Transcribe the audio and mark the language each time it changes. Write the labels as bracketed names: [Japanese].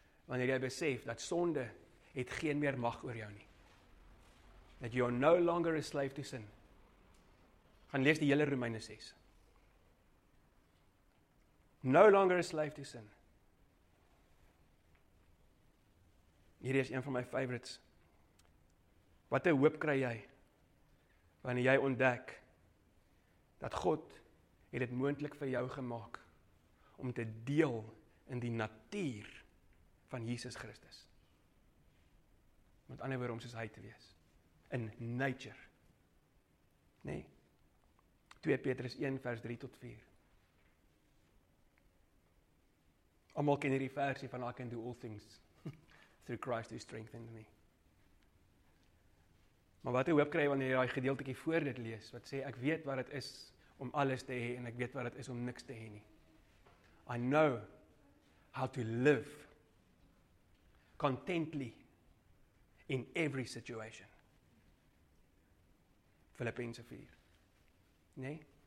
[Afrikaans] Wanneer jy besef dat sonde het geen meer mag oor jou nie. [English] That you are no longer a slave to sin. [Afrikaans] Gaan lees die hele Romeine 6. [English] No longer a slave to sin. [Afrikaans] Hierdie is een van my favorites. Wat 'n hoop kry jy wanneer jy ontdek dat God het dit moontlik vir jou gemaak om te deel in die natuur van Jesus Christus. Met ander woorde om soos hy te wees. [English] In nature. [Afrikaans] Nee. 2 Petrus 1 vers 3 tot 4. Almal ken hierdie versie van [English] I can do all things through Christ who strengthened me. [Afrikaans] Maar wat jy hoop kry wanneer jy daai gedeeltetjie voor dit lees, wat sê ek weet wat dit is om alles te hê en ek weet wat dit is om niks te hê nie. [English] I know how to live contently in every situation. [Afrikaans] Filippense 4. Nee?